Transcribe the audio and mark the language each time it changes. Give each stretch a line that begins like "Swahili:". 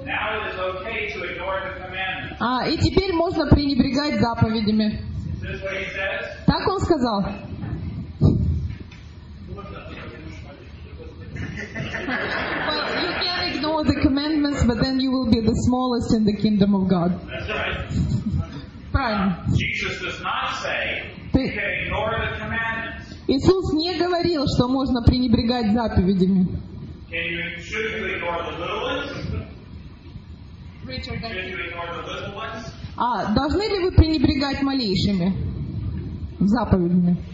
Russian: И теперь можно пренебрегать заповедями. Так он сказал.
English: Well, you can ignore the commandments, but then you will be the smallest in the kingdom of God. That's right. Jesus does not say you can ignore the commandments.
Russian: Иисус не говорил, что можно пренебрегать заповедями.
English: Can you should you ignore the little ones? Richard, should you ignore the little ones?
Russian: Должны ли вы пренебрегать малейшими заповедями?